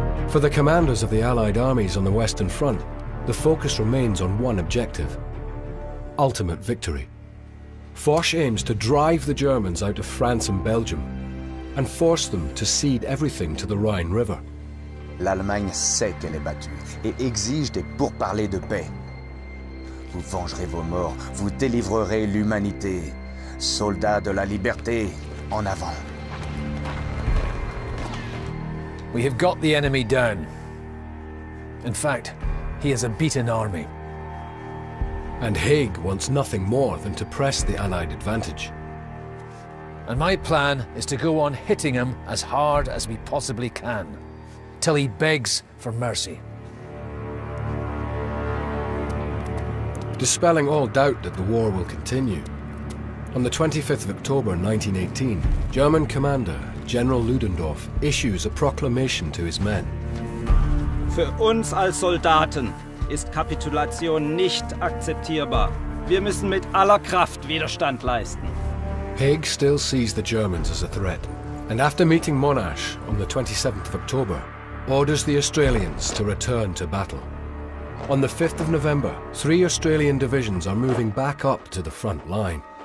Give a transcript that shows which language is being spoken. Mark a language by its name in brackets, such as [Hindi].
[English] For the commanders of the Allied armies on the Western Front, the focus remains on one objective: ultimate victory. Foch aims to drive the Germans out of France and Belgium and force them to cede everything to the Rhine River. [French] L'Allemagne sait qu'elle est battue et exige des pourparlers de paix. Vous vengerez vos morts, vous délivrerez l'humanité. Soldats de la liberté, en avant. [English] We have got the enemy down. In fact, he has a beaten army. And Haig wants nothing more than to press the Allied advantage. And my plan is to go on hitting him as hard as we possibly can, till he begs for mercy. Dispelling all doubt that the war will continue, on the 25th of October 1918, German commander General Ludendorff issues a proclamation to his men. [German] Für uns als Soldaten ist Kapitulation nicht akzeptierbar. Wir müssen mit aller Kraft Widerstand leisten. [English] Haig still sees the Germans as a threat, and after meeting Monash on the 27th of October, orders the Australians to return to battle. On the 5th of November, three Australian divisions are moving back up to the front line.